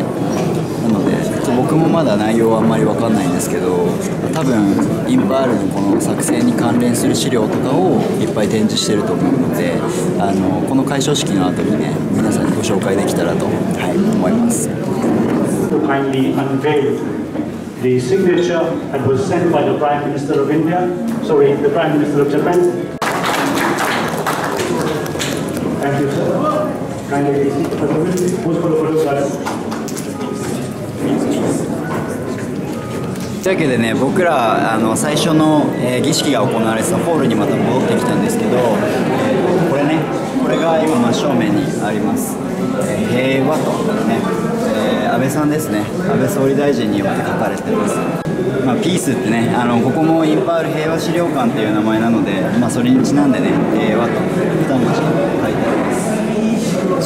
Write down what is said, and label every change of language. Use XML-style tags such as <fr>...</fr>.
<ja>なので僕もまだ内容はあんまり分かんないんですけど、多分インパールのこの作戦に関連する資料とかをいっぱい展示してると思うので、この開所式の後にね、皆さんにご紹介できたらと、はい、思います。</ja> <en>The signature that was sent by the Prime Minister of India, sorry, the Prime Minister of Japan. Thank you, sir. Kindly be seated for a minute. Post for the photo, sir.</en> <ja>というわけでね、僕ら最初の、儀式が行われてたホールにまた戻ってきたんですけど、これね、これが今真正面にあります、平和とね、安倍さんですね、安倍総理大臣によって書かれてます、まあ、ピースってね、ここもインパール平和資料館っていう名前なので、まあ、それにちなんでね、平和と2文字書いてあります。</ja>